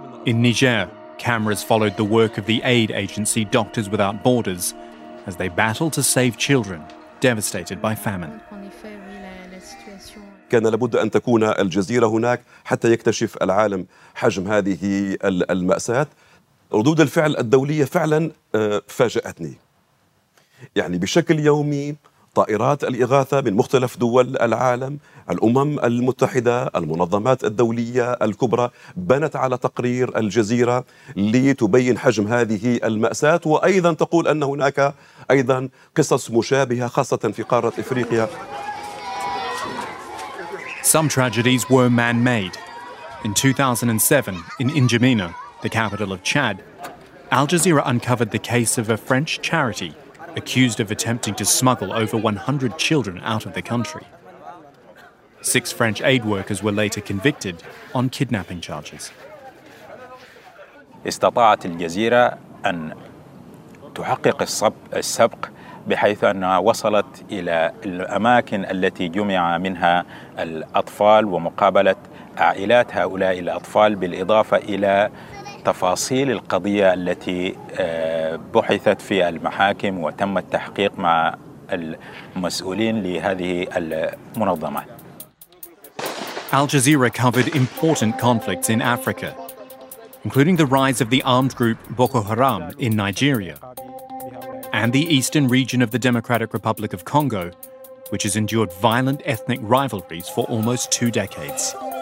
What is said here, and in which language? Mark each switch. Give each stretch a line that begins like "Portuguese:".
English: In Niger, cameras followed the work of the aid agency Doctors Without Borders as they battled to save children devastated by famine.
Arabic: كان لابد أن تكون الجزيرة هناك حتى يكتشف العالم حجم هذه المأساة. ردود الفعل الدولية فعلا فاجأتني. يعني بشكل يومي طائرات الإغاثة من مختلف دول العالم، الأمم المتحدة، المنظمات الدولية الكبرى بنت على تقرير الجزيرة لتبين حجم هذه المأساة، وأيضا تقول أن هناك أيضا قصص مشابهة خاصة في قارة إفريقيا.
English: Some tragedies were man-made. In 2007, in N'Djamena, the capital of Chad, Al Jazeera uncovered the case of a French charity accused of attempting to smuggle over 100 children out of the country. 6 French aid workers were later convicted on kidnapping charges.
Arabic: استطاعت الجزيرة أن تحقق السبق بحيث أنها وصلت إلى الأماكن التي جمع منها الأطفال ومقابلة عائلات هؤلاء الأطفال، بالإضافة إلى تفاصيل القضية التي بحثت في المحاكم وتم التحقيق مع المسؤولين لهذه المنظمة.
English: Al Jazeera covered important conflicts in Africa, including the rise of the armed group Boko Haram in Nigeria and the eastern region of the Democratic Republic of Congo, which has endured violent ethnic rivalries for almost 2 decades.